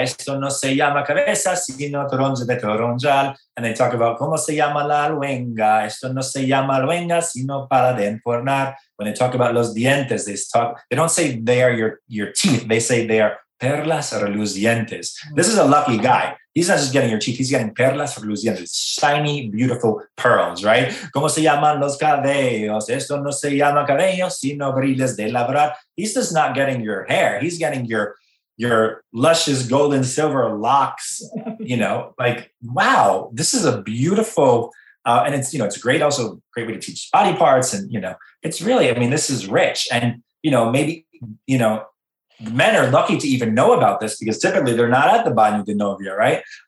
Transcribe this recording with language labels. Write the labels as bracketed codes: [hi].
[es] Esto no se llama cabeza, sino toronja de toronjal. [en] And they talk about [es] ¿Cómo se llama la luenga? Esto no se llama luenga, sino para de enfornar. [en] When they talk about [es] los dientes, [en] they don't say they are your teeth. They say they are [es] perlas relucientes. [en] This is a lucky guy. He's not just getting your teeth. He's getting [es] perlas relucientes, [en] shiny, beautiful pearls, right? [es] ¿Cómo se llaman los cabellos? Esto no se llama cabello, sino brillos de labrar. [en] He's just not getting your hair. He's getting your luscious golden silver locks, you know? Like, wow, this is a beautiful, and it's, you know, it's great. Also, great way to teach body parts. And, you know, it's really, I mean, this is rich. And, you know, maybe, you know, men are lucky to even know about this, because typically they're not at the baño de novia, right?